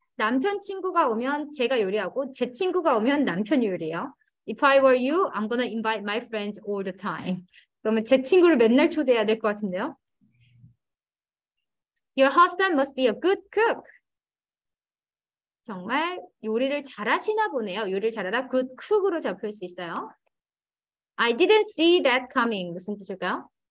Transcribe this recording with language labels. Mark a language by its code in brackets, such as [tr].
[ko] 남편 친구가 오면 제가 요리하고 제 친구가 오면 남편이 요리해요. [en] If I were you, I'm gonna invite my friends all the time. [ko] 그러면 제 친구를 맨날 초대해야 될 것 같은데요. [en] Your husband must be a good cook. [ko] 정말 요리를 잘하시나 보네요. 요리를 잘하다 good cook으로 잡힐 수 있어요. [en] I didn't see that coming. [ko] 무슨 뜻일까요?